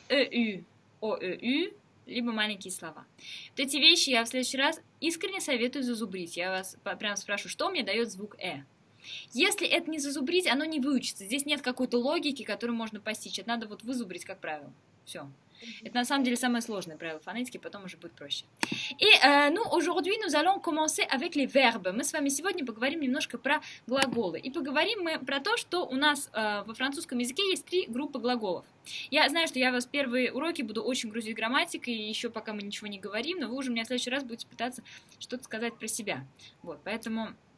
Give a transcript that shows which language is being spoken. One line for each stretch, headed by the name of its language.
Russian: Э-ю, о-э-ю, либо маленькие слова. Вот эти вещи я в следующий раз искренне советую зазубрить. Я вас прям спрошу, что мне дает звук Э? Если это не зазубрить, оно не выучится. Здесь нет какой-то логики, которую можно постичь. Это надо вот вызубрить, как правило. Все. Это на самом деле самое сложное правило фонетики, потом уже будет проще.
French: И, aujourd'hui nous allons commencer avec les verbes.
Russian: Мы с вами сегодня поговорим немножко про глаголы. И поговорим мы про то, что у нас во французском языке есть три группы глаголов. Я знаю, что я вас первые уроки буду очень грузить грамматикой, еще пока мы ничего не говорим, но вы уже у меня в следующий раз будете пытаться что-то сказать про себя. Вот, поэтому...